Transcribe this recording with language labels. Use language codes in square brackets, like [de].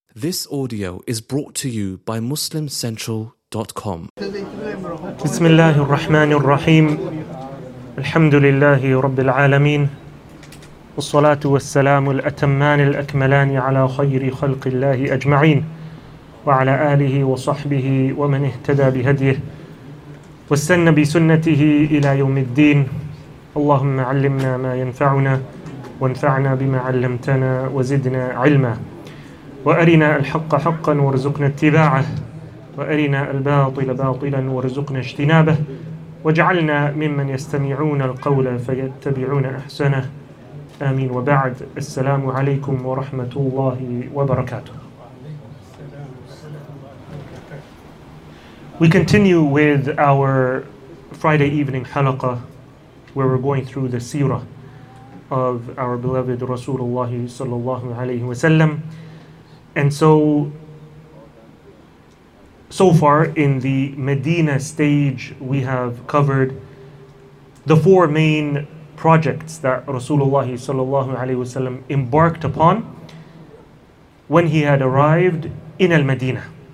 [en] This audio is brought to you by MuslimCentral.com. [ar] بسم الله الرحمن الرحيم الحمد لله رب العالمين والصلاة والسلام الأتمان الأكملان على خير خلق الله أجمعين وعلى آله وصحبه ومن اهتدى بهديه واستنى بسنته إلى يوم الدين. اللهم علمنا ما ينفعنا وانفعنا بما علمتنا وزدنا علما وأرنا الحق حقا وارزقنا اتباعه وأرنا الباطل باطلا وارزقنا اجتنابه واجعلنا ممن يستمعون القول فيتبعون أحسنه آمين وبعد. السلام عليكم ورحمة الله وبركاته. [en] We continue with our Friday evening halaqa, where we're going through the seerah of our beloved Rasulullah sallallahu alayhi wa sallam. And so far in the Medina stage, we have covered the four main projects that Rasulullah sallallahu alayhi wa sallam embarked upon when he had arrived in Al-Medina.